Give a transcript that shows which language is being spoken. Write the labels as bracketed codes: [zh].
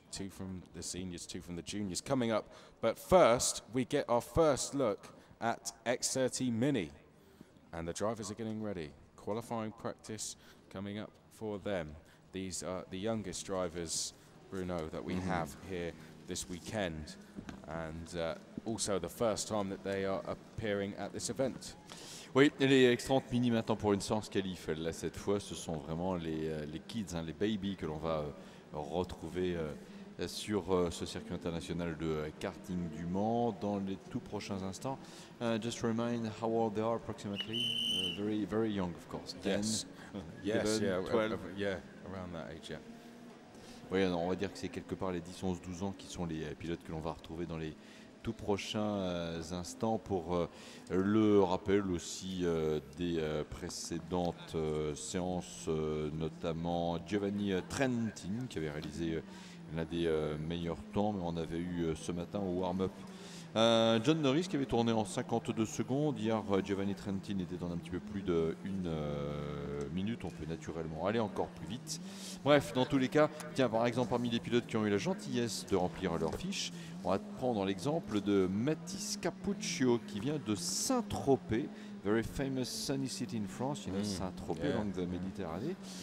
[en] Two from the seniors, two from the juniors coming up. But first, we get our first look at X30 Mini. And the drivers are getting ready. Qualifying practice coming up for them. These are the youngest drivers, Bruno, that we have here this weekend. And also the first time that they are appearing at this event. [fr] Oui, les X30 Mini maintenant pour une séance qualif. Là, cette fois, ce sont vraiment les kids, hein, les babies que l'on va retrouver sur ce circuit international de karting du Mans dans les tout prochains instants. [en] Just remind how old they are approximately. Very, very young, of course. Yes. 10, yes, 11, yeah, 12. Yeah, around that age, yeah. [fr] Oui, on va dire que c'est quelque part les 10, 11, 12 ans qui sont les pilotes que l'on va retrouver dans les tout prochains instants pour le rappel aussi des précédentes séances, notamment Giovanni Trentin qui avait réalisé l'un des meilleurs temps, mais on avait eu ce matin au warm-up John Norris qui avait tourné en 52 secondes. Hier, Giovanni Trentin était dans un petit peu plus d'une minute. On peut naturellement aller encore plus vite. Bref, dans tous les cas, tiens, par exemple, parmi les pilotes qui ont eu la gentillesse de remplir leur fiche, on va prendre l'exemple de Mathis Capuccio qui vient de Saint-Tropez. [en] Very famous sunny city in France, you know, Saint-Tropez, yeah, along the Mediterranean.